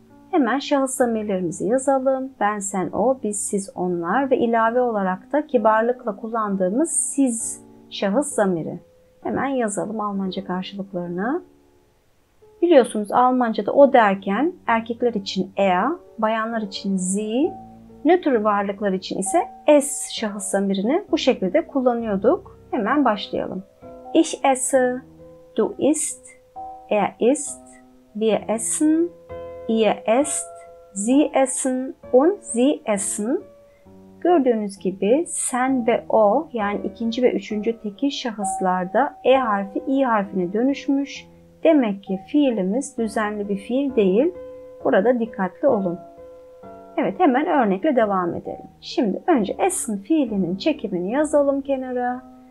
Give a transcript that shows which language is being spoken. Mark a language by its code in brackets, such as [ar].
[tr] Hemen şahıs zamirlerimizi yazalım. Ben, sen, o, biz, siz, onlar ve ilave olarak da kibarlıkla kullandığımız siz şahıs zamiri. Hemen yazalım Almanca karşılıklarına. Biliyorsunuz Almanca'da o derken erkekler için er, bayanlar için sie, nötr varlıklar için ise es şahıs zamirini bu şekilde kullanıyorduk. Hemen başlayalım. [de] Ich esse, du isst, er isst, wir essen, ihr esst, sie essen und sie essen. [tr] Gördüğünüz gibi sen ve o yani ikinci ve üçüncü tekil şahıslarda e harfi i harfine dönüşmüş. Demek ki fiilimiz düzenli bir fiil değil. Burada dikkatli olun. Evet, hemen örnekle devam edelim. Şimdi önce essen fiilinin çekimini yazalım kenara.